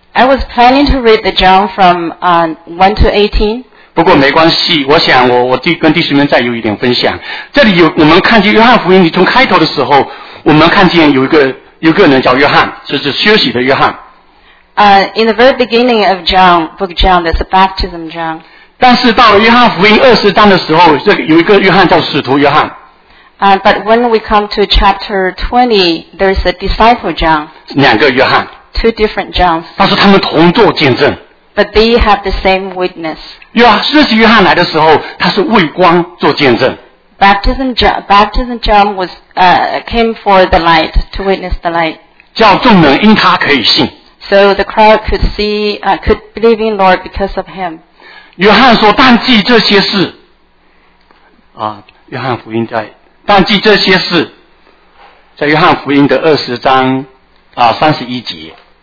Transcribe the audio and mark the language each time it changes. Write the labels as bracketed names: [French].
[English] I was planning to read the John from 1 to 18. [Chinese] 不过没关系，我想我跟弟兄们再有一点分享。这里有我们看见约翰福音，你从开头的时候，我们看见有一个人叫约翰，是休息的约翰。 [English] In the very beginning of John, book John, there's a baptism John. [Chinese] 但是到了约翰福音二十章的时候，这个有一个约翰叫使徒约翰。 [English] But when we come to chapter 20, there's a disciple John. [Chinese] 两个约翰。 [English] Two different Johns. [Chinese] 但是他们同作见证。 [English] But they have the same witness. [Chinese] 施洗约翰来的时候，他是为光做见证。 [English] Baptism John was came for the light to witness the light. [Chinese] 叫众人因他可以信。 [English] So the crowd could see, could believe in Lord because of him. [Chinese] 约翰说：“但记这些事。” 啊，约翰福音在但记这些事，在约翰福音的二十章啊三十一节。